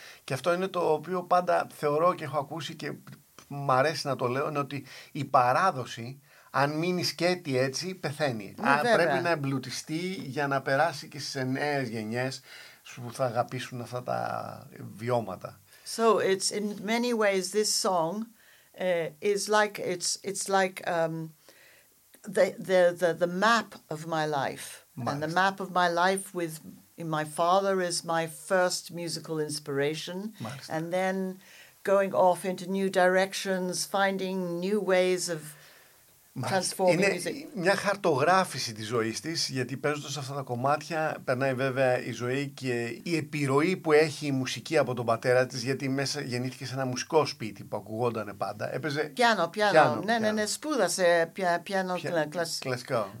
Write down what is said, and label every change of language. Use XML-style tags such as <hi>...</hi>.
<el>Και αυτό είναι το οποίο πάντα θεωρώ και έχω ακούσει και μου αρέσει να το λέω, είναι ότι η παράδοση, αν μείνει σκέτη έτσι, πεθαίνει. Αν πρέπει να εμπλουτιστεί για να περάσει και στις νέες γενιές που θα αγαπήσουν αυτά τα βιώματα.</el> <en>So it's in many ways this song is like the map of my life.</en> <el>Μάλιστα.</el> <en>And the map of my life with my father is my first musical inspiration.</en> <el>Μάλιστα.</el> <en>And then going off into new directions, finding new ways of transforming</en> <el>Είναι</el> <en>music.</en> <el>Μια χαρτογράφηση της ζωής της, γιατί παίζοντας αυτά τα κομμάτια περνάει βέβαια η ζωή και η επιρροή που έχει η μουσική από τον πατέρα της, γιατί μέσα γεννήθηκε σε ένα μουσικό σπίτι που ακουγόταν πάντα. Έπαιζε πιάνο. Ναι, σπούδασε πιάνο κλασικό.</el>